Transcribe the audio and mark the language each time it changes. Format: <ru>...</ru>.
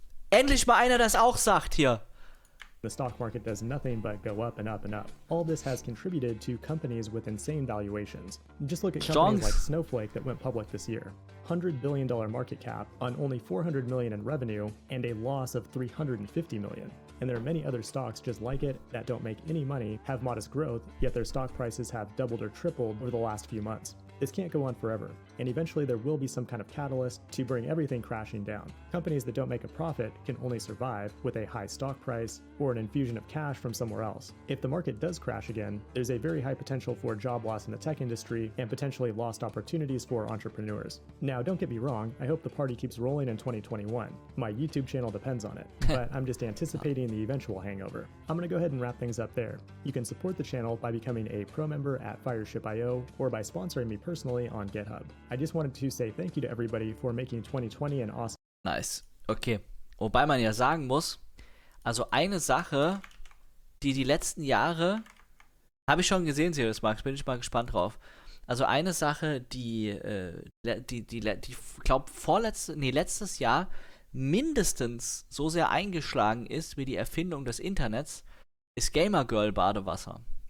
<de>Endlich mal einer, das auch sagt hier.</de> <en>The stock market does nothing but go up and up and up. All this has contributed to companies with insane valuations. Just look at companies like Snowflake that went public this year. $100 billion market cap on only $400 million in revenue and a loss of $350 million. And there are many other stocks just like it that don't make any money, have modest growth, yet their stock prices have doubled or tripled over the last few months. This can't go on forever, and eventually there will be some kind of catalyst to bring everything crashing down. Companies that don't make a profit can only survive with a high stock price or an infusion of cash from somewhere else. If the market does crash again, there's a very high potential for job loss in the tech industry and potentially lost opportunities for entrepreneurs. Now, don't get me wrong, I hope the party keeps rolling in 2021. My YouTube channel depends on it, but I'm just anticipating the eventual hangover. I'm gonna go ahead and wrap things up there. You can support the channel by becoming a pro member at Fireship.io or by sponsoring me personally on GitHub. I just wanted to say thank you to everybody for making 2020 an awesome... Nice. Okay.</en> <de>Wobei man ja sagen muss, also eine Sache, die letzten Jahre... Habe ich schon gesehen, Sirius Max, bin ich mal gespannt drauf. Also eine Sache, die letztes Jahr mindestens so sehr eingeschlagen ist wie die Erfindung des Internets, ist Gamergirl Badewasser.</de>